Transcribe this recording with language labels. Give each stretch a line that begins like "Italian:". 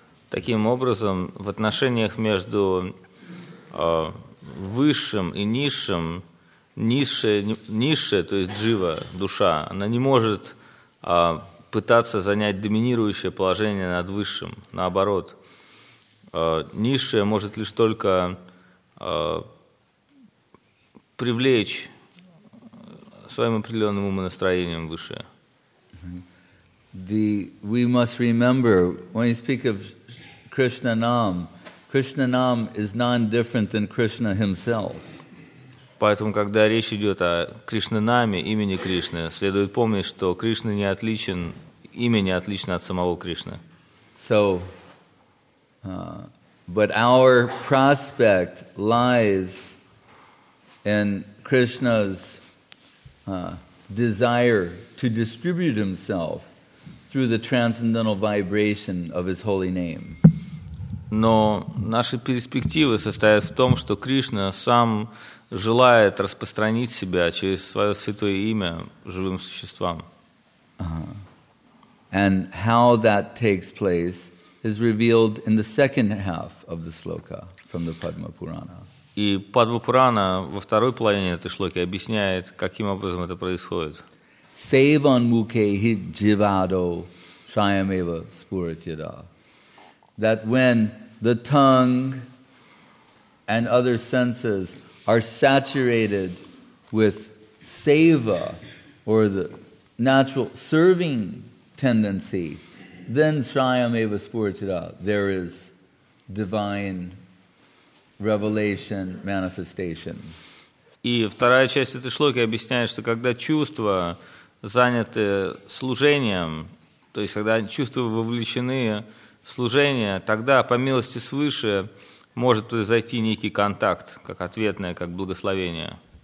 Russian: Таким образом, в отношениях между высшим и низшим, низшее, то есть джива, душа, она не может пытаться занять доминирующее положение над высшим. Наоборот, низшее может лишь только привлечь своим определенным умонастроением высшее.
English: We must remember, when you speak of Krishna Nam, Krishna Nam is non-different than Krishna himself.
Russian: Поэтому, когда речь идет о Кришнанаме, имени Кришны, следует помнить, что Кришна не отличен, имя не отлично от самого Кришны.
English: So, but our prospect lies in Krishna's desire to distribute himself through the transcendental vibration of his holy name.
Russian: Но наши перспективы состоят в том, что Кришна сам желает распространить себя через свое святое имя живым существам.
English: And how that takes place is revealed in the second half of the sloka from the Padma Purana.
Russian: И Падма Пурана во второй половине этой шлоки объясняет, каким образом это происходит.
Sanskrit: Севан муке хи дживадо шаямева спуратьяда.
English: That when the tongue and other senses are saturated with seva, or the natural serving tendency, then
Sanskrit: śrāyameva spuratitā,
English: there is divine revelation, manifestation.
Russian: И вторая часть этой шлоки объясняет, что когда чувства заняты служением, то есть когда чувства вовлечены служение, тогда по милости свыше может произойти некий контакт, как ответное, как благословение.